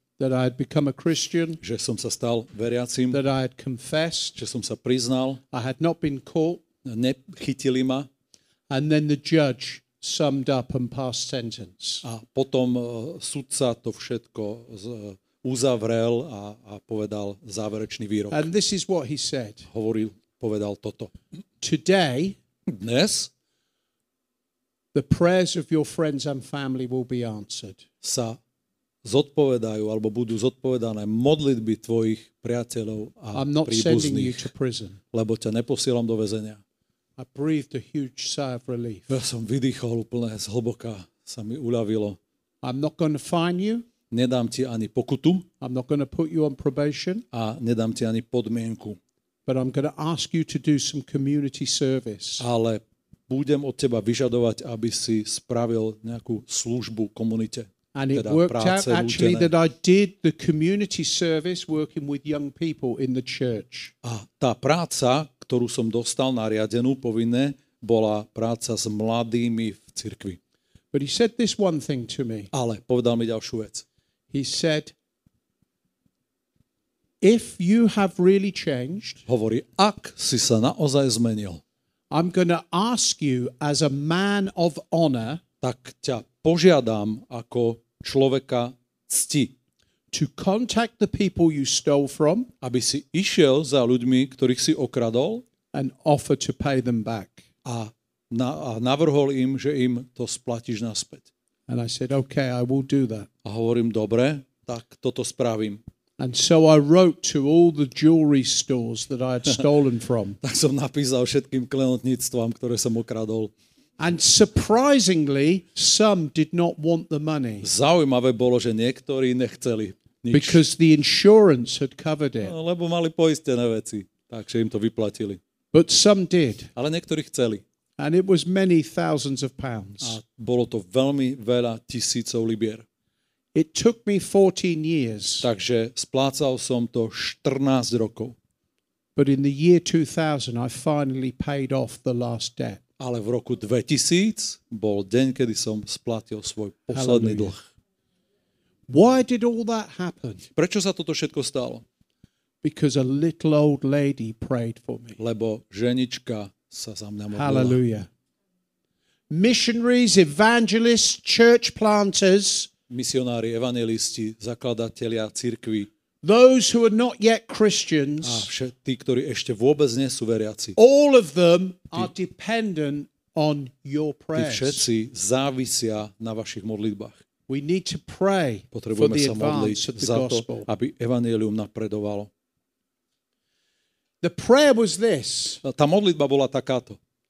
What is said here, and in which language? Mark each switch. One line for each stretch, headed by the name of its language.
English: That I had become a Christian,
Slovak: že som sa stal veriacím,
English: that I had confessed,
Slovak: že som sa priznal,
English: I had not been caught,
Slovak: nechytili ma,
English: and then the judge summed up and passed sentence.
Slovak: A potom sudca to všetko uzavrel a povedal záverečný výrok.
English: And this is what he said.
Slovak: Povedal toto.
English: Today,
Slovak: dnes,
English: the prayers of your friends and family will be answered.
Slovak: Sa zodpovedajú alebo budú zodpovedané modlitby tvojich priateľov a príbuzných, lebo ťa neposielam do väzenia.
English: I breathed a huge sigh of relief.
Slovak: Ja som vydýchol úplne zhlboka, sa mi uľavilo.
English: I'm not going to fine you.
Slovak: Nedám ti ani pokutu.
English: I'm not going to put you on probation.
Slovak: A nedám ti ani podmienku.
English: But I'm going to ask you to do some community service.
Slovak: Ale budem od teba vyžadovať, aby si spravil nejakú službu komunite.
English: And it worked out actually that I did the community service working with young people in the church.
Slovak: A tá práca, ktorú som dostal nariadenú povinné, bola práca s mladými v cirkvi.
English: But he said this one thing to me.
Slovak: Ale povedal mi ďalšiu vec.
English: He said, if you have really changed,
Slovak: hovorí, ak si sa naozaj zmenil,
English: I'm going to ask you as a man of honor,
Slovak: tak ťa požiadam ako človeka cti.
English: To contact the people you stole from,
Slovak: aby si išiel za ľuďmi, ktorých si okradol,
English: and offer to pay them back.
Slovak: A navrhol im, že im to splatíš naspäť.
English: And I said, okay, I will do that.
Slovak: A hovorím, dobre, tak toto spravím.
English: And so I wrote to all the jewelry stores that I had stolen from.
Slovak: Tak som napísal všetkým klenotníctvám, ktoré som okradol.
English: And surprisingly, some did not want the money.
Slovak: Zaujímavé bolo, že niektorí nechceli nič.
English: Because the insurance had covered it.
Slovak: Lebo mali poistené veci, takže im to vyplatili.
English: But some did.
Slovak: Ale niektorí chceli.
English: And it was many thousands of pounds.
Slovak: A bolo to veľmi veľa tisícov libier.
English: It took me 14 years.
Slovak: Takže splácal som to 14 rokov.
English: But in the year 2000, I finally paid off the last debt.
Slovak: Ale v roku 2000 bol deň, kedy som splatil svoj posledný dlh.
English: Why did all that happen?
Slovak: Prečo sa toto všetko stalo?
English: Because a little old lady prayed for me.
Slovak: Lebo ženička sa za mňa modlila.
English: Hallelujah. Missionaries, evangelists, church planters,
Slovak: misionári, evangelisti, zakladatelia cirkvi.
English: Those who are not yet Christians.
Slovak: A tí, ktorí ešte vôbec nie sú veriaci.
English: All of them are dependent on your prayers.
Slovak: Tí všetci závisia na vašich modlitbách.
English: We need to pray.
Slovak: Potrebujeme
English: for the
Slovak: sa modliť
English: the
Slovak: za to,
English: gospel.
Slovak: Aby evanjelium napredovalo.
English: The prayer was this.
Slovak: Tá modlitba bola takáto.